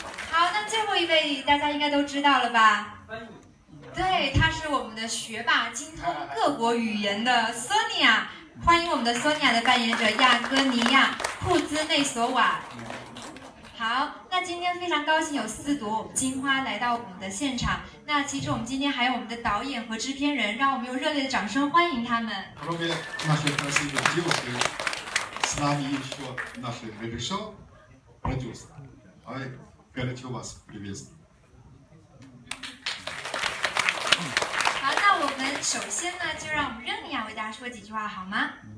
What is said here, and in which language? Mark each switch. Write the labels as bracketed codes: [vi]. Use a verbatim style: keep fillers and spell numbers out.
[zh] 好，那最后一位大家应该都知道了吧？对，她是我们的学霸，精通各国语言的 Sonia， 欢迎我们的 Sonia 的扮演者亚哥尼亚库兹内索瓦。好，那今天非常高兴有四朵我们金花来到我们的现场。那其实我们今天还有我们的导演和制片人，让我们用热烈的掌声欢迎他们。 [ru] Кроме нашей красивой девушки, с нами еще наш режиссер, продюсер. Ай, горячо вас приветствую. [zh] 那我们首先呢，就让我们热尼亚为大家说几句话好吗？